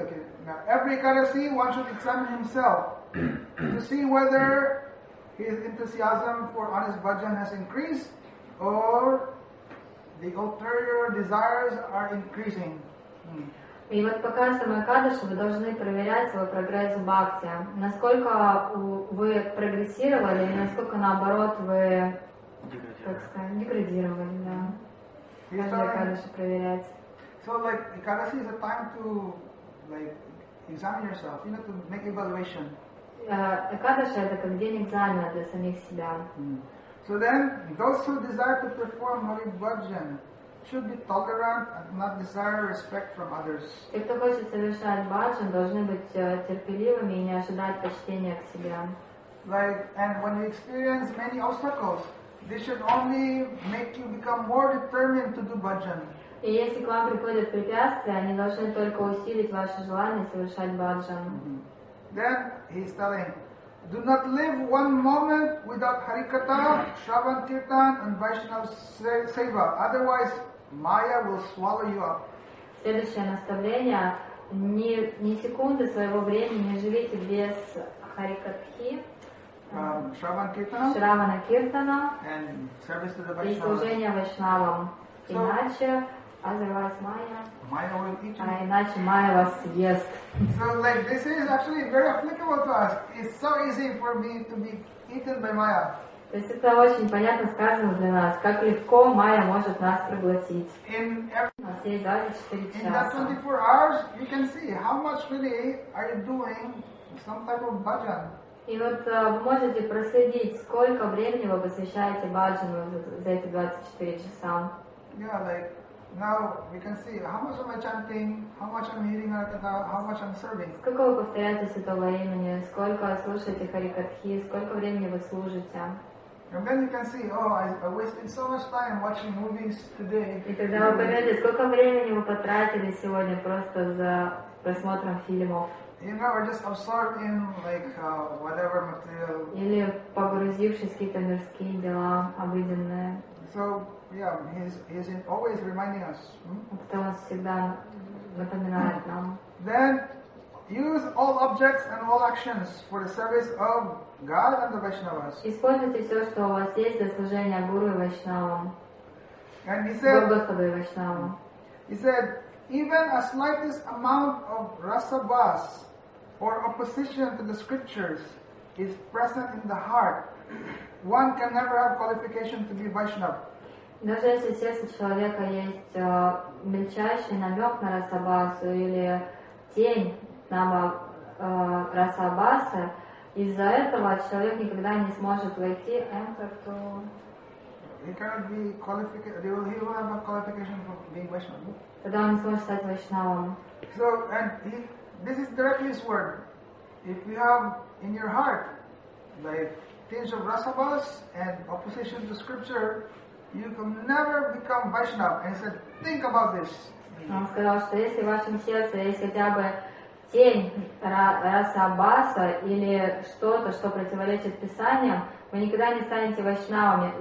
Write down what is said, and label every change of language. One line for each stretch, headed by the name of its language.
English: Okay, now every Ekadasi one should examine himself to see whether his enthusiasm for honest bhajan has increased or the ulterior desires are increasing.
Russian: И вот по каждому экадышу вы должны проверять свой прогресс в бхакти. Насколько вы прогрессировали, и насколько наоборот вы, как сказать, деградировали, да. Каждый экадыш проверять.
English: So, like, Ekadasi is a time to, like, examine yourself, you know, to make evaluation.
Russian: Экадыш это как день экзамена для самих себя.
English: So then, those who desire to perform Hari Bhajan, should be tolerant and not desire respect from others.
Russian: Те, кто хочет совершать баджан, должны быть терпеливыми и не ожидать почтения к себе.
English: Like, and when you experience many obstacles, this should only make you become more determined to do bhajan.
Russian: И если к вам приходят препятствия, они должны только усилить ваше желание совершать баджан.
English: Then he's telling, do not live one moment without Harikatha, Shravan Kirtan, and Vaishnava Seva. Otherwise, Maya will swallow you up.
Russian: Следующее наставление. Ни секунды своего времени не живите без Харикатхи,
English: Shravan Kirtan, Shravana Kirtana, and service to the Vaishnava.
Russian: И служение Вайшнавам. Иначе,
English: otherwise,
Russian: Maya
English: will eat you.
Russian: А иначе Майя вас съест.
English: So like this is actually very applicable to us. It's so easy for me to be eaten by Maya.
Russian: То есть это очень понятно сказано для нас, как легко Майя может нас пригласить. У нас есть даже 4 часа.
English: In that 24 hours, you can see how much really are you doing some type of bhajan.
Russian: И вот вы можете проследить, сколько времени вы посвящаете баджану за эти 24 часа.
English: Yeah, like now we can see how much am I chanting, how much I'm hearing Harikatha, how much I'm serving.
Russian: Сколько вы повторяете святого имени, сколько слушаете Харикатхи, сколько времени вы служите.
English: And then you can see, I wasted so much time watching movies today.
Russian: И тогда вы поймете, сколько времени вы потратили сегодня просто за просмотром фильмов.
English: You know, or just absorbed in like whatever material.
Russian: Или погрузившись в какие-то мирские дела обыденные.
English: So yeah, he's always reminding us.
Russian: Это он всегда напоминает нам.
English: Then use all objects and all actions for the service of God and the Vaishnavas.
Russian: Используйте все, что у вас есть, для служения Гуру и Вайшнавам.
English: And he said,
Russian: Господу и Вайшнавам.
English: He said, even a slightest amount of rasavas or opposition to the scriptures is present in the heart. One can never have qualification to be Vaishnava.
Russian: Даже если в сердце человека есть мельчайший намек на расабасу или тень на расабаса, из-за этого человек никогда не сможет войти.
English: Enter to. He cannot be qualified. He will have a qualification for being Vaishnava.
Russian: Тогда он сможет стать вайшнавом.
English: So, and if, this is directly his word. If you have in your heart, like, tinge of rasavas and opposition to scripture, you can never become Vaishnav. And he said, think about this.
Russian: Он сказал, что если в вашем сердце есть хотя бы тень расабаса или что-то, что противоречит Писаниям, вы никогда не станете вайшнавами.